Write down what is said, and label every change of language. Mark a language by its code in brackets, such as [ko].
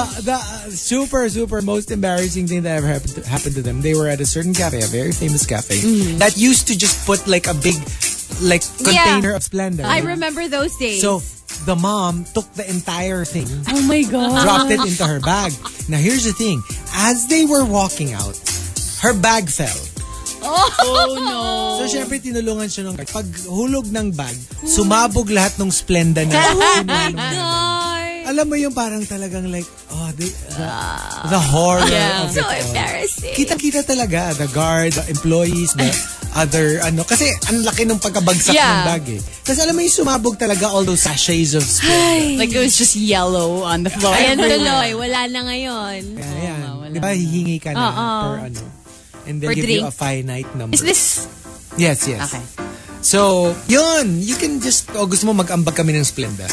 [en] The super super most embarrassing thing that ever happened to them, they were at a certain cafe, a very famous cafe, mm-hmm. that used to just put like a big like container of Splenda. Right? I remember those days. So the mom took the entire thing. Oh my god. Dropped it into her bag. Now here's the thing. As they were walking out, her bag fell. Oh no. [tl] So syempre tinulungan siya ng guard. Pag hulog ng bag, sumabog lahat ng Splenda na. [en] Oh my god. [tl] Alam mo yung parang talagang like, [en] oh, the horror of so it all. So embarrassing. [tl] Kita-kita talaga [en] the guard, the employees, the other [tl] ano, kasi ang laki ng pagkabagsak ng bag eh. Kasi alam mo yung sumabog talaga [en] all those sachets of Splenda. Like it was just yellow on the floor. [tl] Ayan tuloy, wala na ngayon. Ayan. Di ba hihingi ka na for ano? [en] And they give you a finite number. Is this? Yes, yes. Okay. [tl] So, yun. [en] You can just, oh, [tl] gusto mo mag-ambag kami ng Splenda.